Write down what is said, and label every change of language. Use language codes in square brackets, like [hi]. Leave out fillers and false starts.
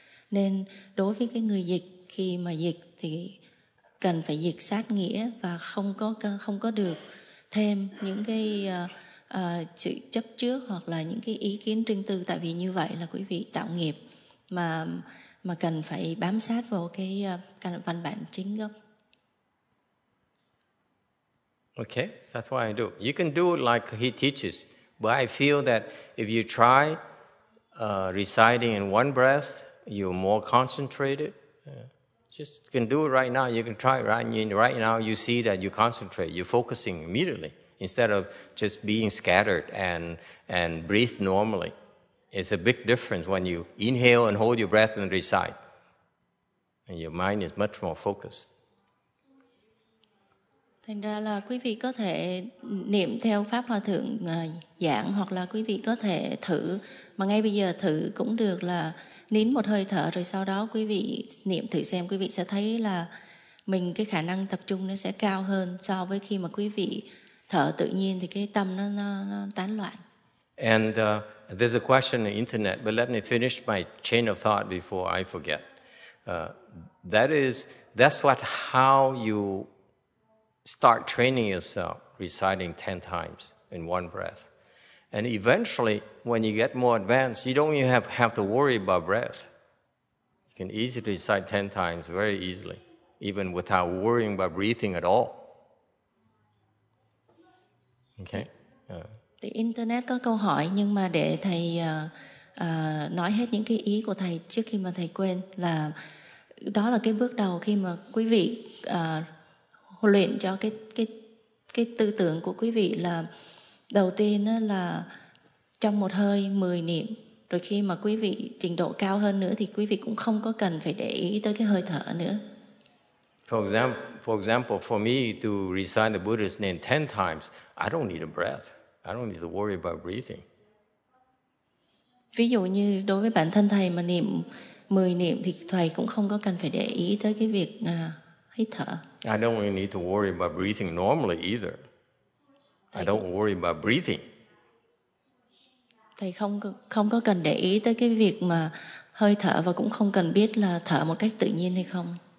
[vi] Nên đối với cái người dịch, khi mà dịch thì cần phải dịch sát nghĩa và không có được thêm những cái sự chấp trước hoặc là những cái ý kiến riêng tư, tại vì như vậy là quý vị tạo nghiệp mà cần phải bám sát vào cái văn bản chính gốc. [en] Okay, that's what I do. You can do it like he teaches, but I feel that if you try reciting in one breath, you're more concentrated. Just can do it right now. You can try it right now. You see that you concentrate. You're focusing immediately instead of just being scattered and breathe normally. It's a big difference when you inhale and hold your breath and recite. And your mind is much more focused. [vi] Thành ra là quý vị có thể niệm theo pháp hòa thượng giảng hoặc là quý vị có thể thử mà ngay bây giờ thử cũng được là nín một hơi thở rồi sau đó quý vị niệm thử xem quý vị sẽ thấy là mình cái khả năng tập trung nó sẽ cao hơn so với khi mà quý vị thở tự nhiên thì cái tâm nó tán loạn. [en] And there's a question on the internet, but let me finish my chain of thought before I forget. That's how you start training yourself reciting 10 times in one breath. And eventually, when you get more advanced, you don't even have to worry about breath. You can easily recite 10 times very easily, even without worrying about breathing at all. Okay? The internet [vi] có câu hỏi, nhưng mà để thầy nói hết những cái ý của thầy trước khi mà thầy quên là đó là cái bước đầu khi mà quý vị luyện cho cái tư tưởng của quý vị là đầu tiên là trong một hơi 10 niệm, rồi khi mà quý vị trình độ cao hơn nữa thì quý vị cũng không có cần phải để ý tới cái hơi thở nữa. [en] For example, for me to recite the Buddha's name 10 times, I don't need a breath. I don't need to worry about breathing. [vi] Ví dụ như đối với bản thân thầy mà niệm 10 niệm thì thầy cũng không có cần phải để ý tới cái việc hít thở. [en] I don't really need to worry about breathing normally either. I don't worry about breathing. [vi] Thầy không có cần để ý tới cái việc mà hơi thở và cũng không cần biết là thở một cách tự nhiên hay không.